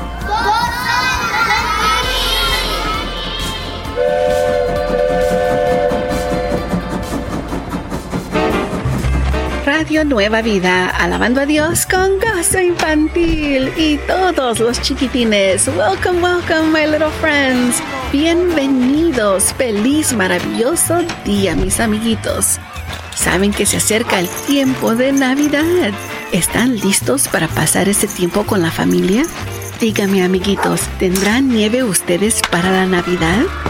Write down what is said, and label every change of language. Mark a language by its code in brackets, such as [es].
[es] ¡Gozo Infantil! Radio Nueva Vida, alabando a Dios con Gozo Infantil y todos los chiquitines. [en] Welcome, welcome, my little friends. [es] Bienvenidos. Feliz, maravilloso día, mis amiguitos. ¿Saben que se acerca el tiempo de Navidad? ¿Están listos para pasar ese tiempo con la familia? Díganme, amiguitos, ¿tendrán nieve ustedes para la Navidad?